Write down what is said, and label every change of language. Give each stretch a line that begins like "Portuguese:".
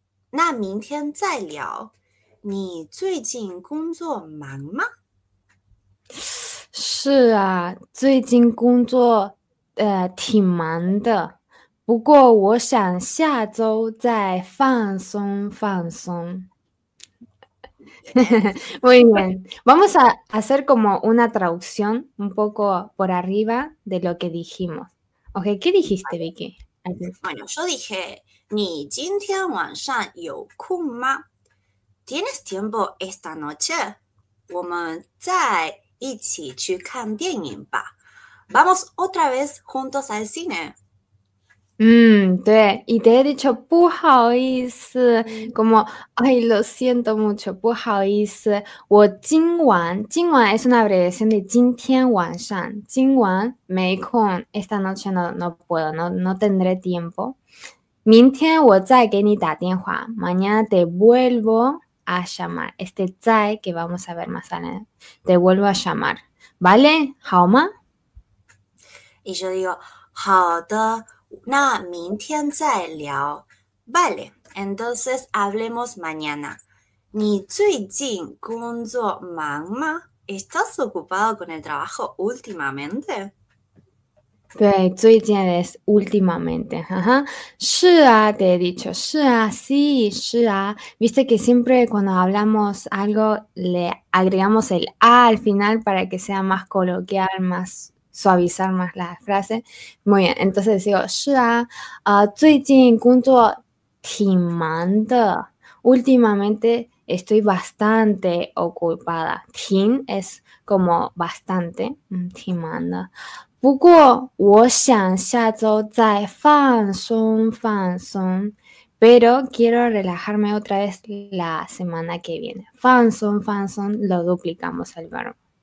Chinese: 那明天再聊, 你最近工作忙吗? 是啊, 最近工作, 挺忙的, 不过我想下周再放松放松。
Spanish: Muy bien, vamos a hacer como una traducción un poco por arriba de lo que dijimos. Ok, ¿qué dijiste, Vicky? Bueno, yo dije...
Chinese: 你今天晚上有空吗?
Spanish: ¿Tienes tiempo esta noche?
Chinese: 我们再一起去看电影吧。
Spanish: Vamos otra vez juntos al cine.
Chinese: 对,
Spanish: y te he dicho
Chinese: 不好意思,
Spanish: como, ay, lo siento mucho,
Chinese: 不好意思, 我今晚, 今晚
Spanish: es una abreviación de
Chinese: 今天晚上, 今晚没空,
Spanish: esta noche no puedo, no tendré tiempo.
Chinese: 明天我再给你打电话,
Spanish: mañana te vuelvo a llamar. Este zai que vamos a ver más adelante, te vuelvo a llamar. ¿Vale? ¿Haoma? Y yo digo,
Chinese: 好的,那明天再聊.
Spanish: Vale, entonces hablemos mañana.
Chinese: 你最近工作忙吗?
Spanish: ¿Estás ocupado con el trabajo últimamente?
Chinese: 对,最近
Spanish: es últimamente, ajá.
Chinese: 是啊,
Spanish: te he dicho, 是啊, sí, 是啊. Viste que siempre cuando hablamos algo le agregamos el a al final para que sea más coloquial, más suavizar más la frase. Muy bien, entonces digo,
Chinese: 是啊, 最近工作挺忙的.
Spanish: Últimamente estoy bastante ocupada. 挺 es como bastante,
Chinese: 挺忙的. 不过我想下周再放松放松,
Spanish: pero quiero relajarme otra vez la semana que viene.
Chinese: 放松放松,
Spanish: lo duplicamos el verbo.